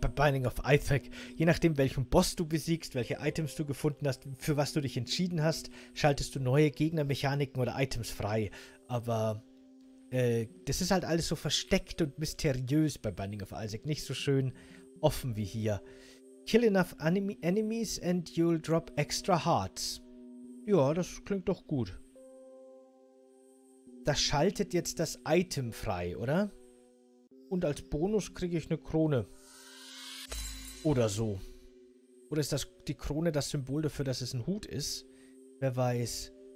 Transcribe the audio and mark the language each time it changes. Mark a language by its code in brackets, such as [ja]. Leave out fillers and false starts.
[de] Bei Binding of Isaac, je nachdem welchen Boss du besiegst, welche Items du gefunden hast, für was du dich entschieden hast, schaltest du neue Gegnermechaniken oder Items frei. Aber das ist halt alles so versteckt und mysteriös bei Binding of Isaac. Nicht so schön offen wie hier. [en] Kill enough enemies and you'll drop extra hearts. [de] Ja, das klingt doch gut. Das schaltet jetzt das Item frei, oder? Und als Bonus kriege ich eine Krone. Oder so. Oder ist das die Krone das Symbol dafür, dass es ein Hut ist? Wer weiß.